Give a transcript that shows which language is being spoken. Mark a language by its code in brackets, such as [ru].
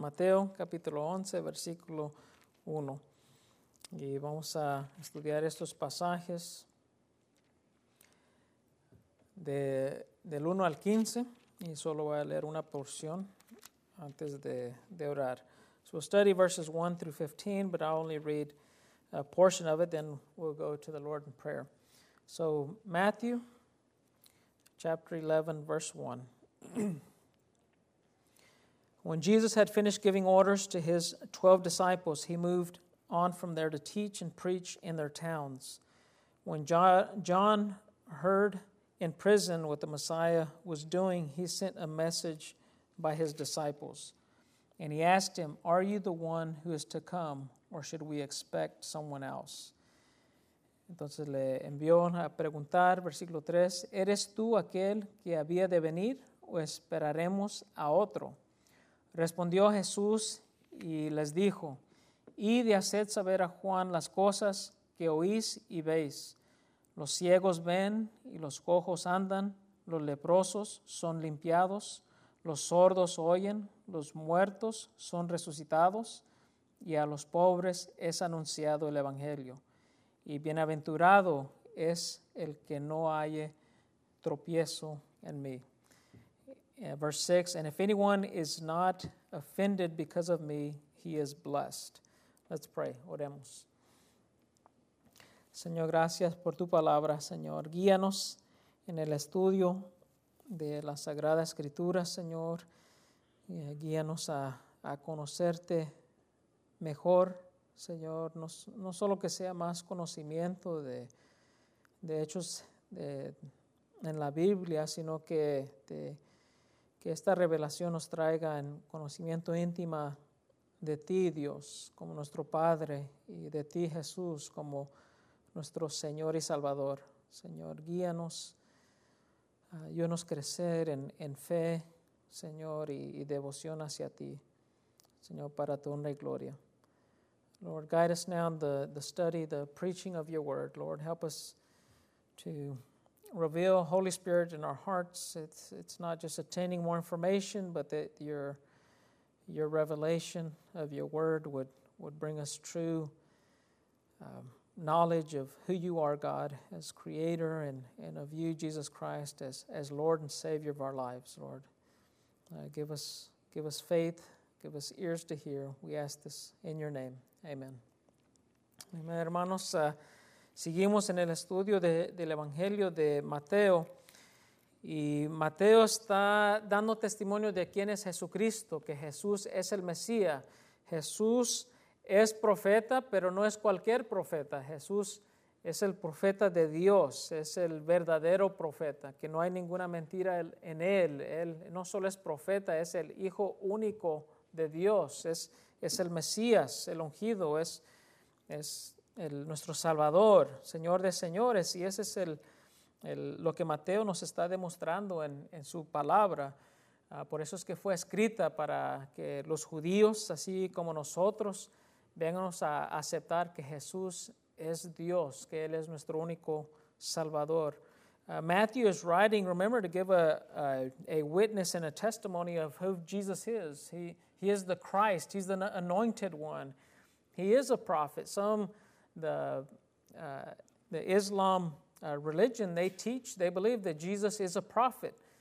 [es] Mateo capítulo 11, versículo 1. Y vamos a estudiar estos pasajes del 1 al 15. Y solo voy a leer una porción antes de orar. [en] So we'll study verses 1 through 15, but I'll only read a portion of it. Then we'll go to the Lord in prayer. So Matthew chapter 11, verse 1. When Jesus had finished giving orders to his 12 disciples, he moved on from there to teach and preach in their towns. When John heard in prison what the Messiah was doing, he sent a message by his disciples. And he asked him, "Are you the one who is to come, or should we expect someone else?" [es] Entonces le envió a preguntar, versículo 3, "¿Eres tú aquel que había de venir, o esperaremos a otro?" Respondió Jesús y les dijo, "Id y haced saber a Juan las cosas que oís y veis. Los ciegos ven y los cojos andan, los leprosos son limpiados, los sordos oyen, los muertos son resucitados, y a los pobres es anunciado el Evangelio. Y bienaventurado es el que no halle tropiezo en mí." [en] Verse 6, "And if anyone is not offended because of me, he is blessed." Let's pray. [es] Oremos. Señor, gracias por tu palabra, Señor. Guíanos en el estudio de la Sagrada Escritura, Señor. Guíanos a conocerte mejor, Señor. No solo que sea más conocimiento de hechos en la Biblia, sino que esta revelación nos traiga en conocimiento íntima de ti, Dios, como nuestro Padre, y de ti, Jesús, como nuestro Señor y Salvador. Señor, guíanos. Ayúdanos a crecer en fe, Señor, y devoción hacia ti, Señor, para tu honra y gloria. [en] Lord, guide us now in the study, the preaching of your word. Lord, help us to reveal Holy Spirit in our hearts. It's not just attaining more information, but that your revelation of your word would bring us true knowledge of who you are, God, as creator, and of you, Jesus Christ, as Lord and Savior of our lives, Lord. Give us faith, give us ears to hear. We ask this in your name. Amen. Amen, [es] hermanos. Seguimos en el estudio del Evangelio de Mateo. Y Mateo está dando testimonio de quién es Jesucristo, que Jesús es el Mesías. Jesús es profeta, pero no es cualquier profeta. Jesús es el profeta de Dios, es el verdadero profeta, que no hay ninguna mentira en él. Él no solo es profeta, es el Hijo único de Dios, es el Mesías, el ungido, es nuestro Salvador, Señor de señores. Y ese es lo que Mateo nos está demostrando en su palabra. Por eso es que fue escrita, para que los judíos, así como nosotros, vénganos a aceptar que Jesús es Dios, que Él es nuestro único Salvador. [en] Matthew is writing, remember, to give a witness and a testimony of who Jesus is. He is the Christ. He's the anointed one. He is a prophet. The Islam religion, they believe that Jesus is a prophet.